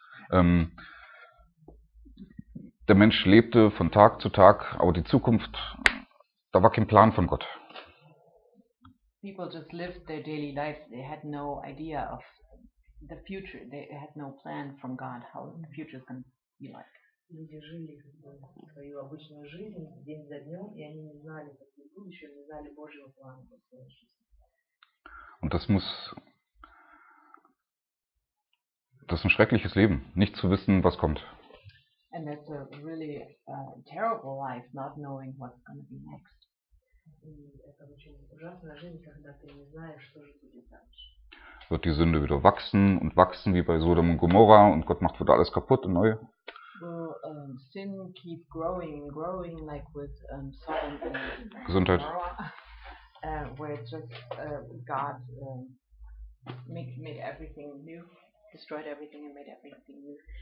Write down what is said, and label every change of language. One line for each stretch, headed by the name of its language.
German: Der Mensch lebte von Tag zu Tag, aber die Zukunft, da war kein Plan von Gott.
English: People just lived their daily life. They had no idea of the future. They had no plan from God, how the future is going to be like.
Russian: Люди жили свою обычную жизнь день за днем, и они не знали, как будет будущее, не знали Божьего плана для своей жизни.
German: Und das ist ein schreckliches Leben, nicht zu wissen, was kommt.
English: And that's a really terrible life, not knowing what's going to be next.
Russian: Это очень ужасная жизнь, когда ты не знаешь, что же будет дальше.
German: Wird die Sünde wieder wachsen und wachsen, wie bei Sodom und Gomorra, und Gott macht wieder alles kaputt und neu.
English: Will sin keep growing and growing like with Sodom and
German: Gesundheit.
English: Gomorrah, where it's just God made everything new, destroyed everything and made everything new.